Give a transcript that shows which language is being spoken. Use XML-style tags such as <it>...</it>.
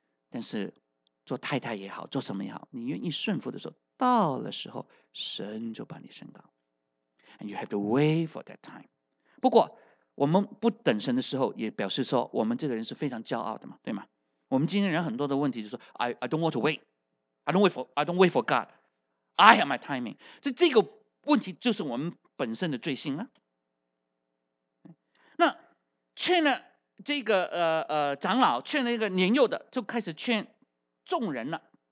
<zh>但是做太太也好，做什么也好，你愿意顺服的时候，到了时候，神就把你升高。</zh> <en>And you have to wait for that time.</en> <zh>不过我们不等神的时候，也表示说我们这个人是非常骄傲的嘛，对吗？我们今天人很多的问题就是说</zh> <en>I don't want to wait. I don't wait for God. I have my timing.</en> <zh>这个问题就是我们本身的罪性了。那劝了这个长老，劝了一个年幼的，就开始劝众人了。</zh>